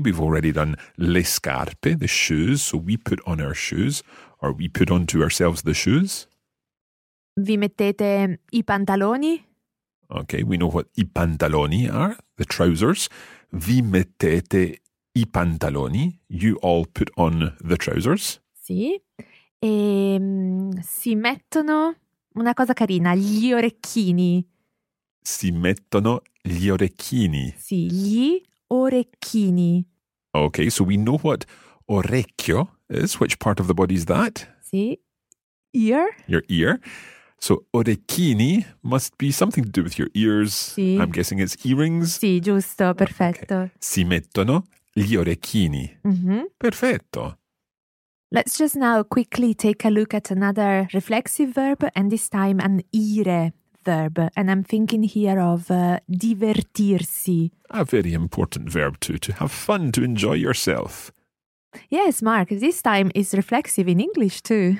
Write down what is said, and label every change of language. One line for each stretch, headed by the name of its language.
English: We've already done le scarpe, the shoes. So we put on our shoes, or we put on to ourselves the shoes.
Italian: Vi mettete i pantaloni.
English: Okay, we know what i pantaloni are, the trousers.
Italian: Vi mettete i pantaloni.
English: You all put on the trousers.
Italian: Sì. E si mettono, una cosa carina, gli orecchini. Si mettono gli orecchini. Sì, gli orecchini.
English: Okay, so we know what orecchio is. Which part of the body is that? Sì. Ear. Your ear. So orecchini must be something to do with your ears.
Italian: Sì.
English: I'm guessing it's earrings.
Italian: Sì, giusto, perfetto. Okay. Si mettono gli orecchini. Mm-hmm. Perfetto.
English: Let's just now quickly take a look at another reflexive verb, and this time an ire verb. And I'm thinking here of divertirsi. A very important verb to have fun, to enjoy yourself. Yes, Mark, this time is reflexive in English too.